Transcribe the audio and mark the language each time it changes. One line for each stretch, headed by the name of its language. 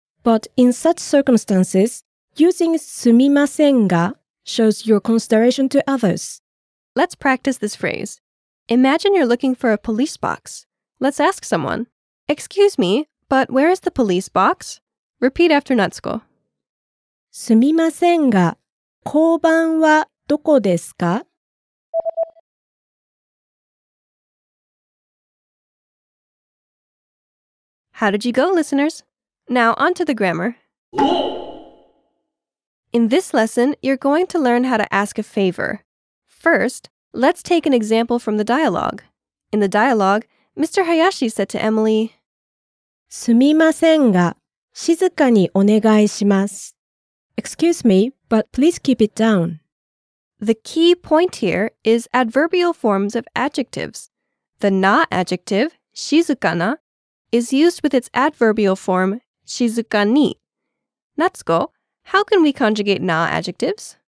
English: But in such circumstances, using すみませんが shows your consideration to others. Let's practice this phrase. Imagine you're looking for a police box. Let's ask someone, Excuse me, but where is the police box? Repeat after Natsuko.
Japanese: すみませんが、交番はどこですか?
English: How did you go, listeners? Now, on to the grammar. In this lesson, you're going to learn how to ask a favor. First, let's take an example from the dialogue. In the dialogue, Mr. Hayashi said to Emily,
Japanese: すみませんが、静かにお願いします。
English: Excuse me, but please keep it down. The key point here is adverbial forms of adjectives. The na adjective, 静かな, is used with its adverbial form, 静かに. Natsuko, how can we conjugate na adjectives?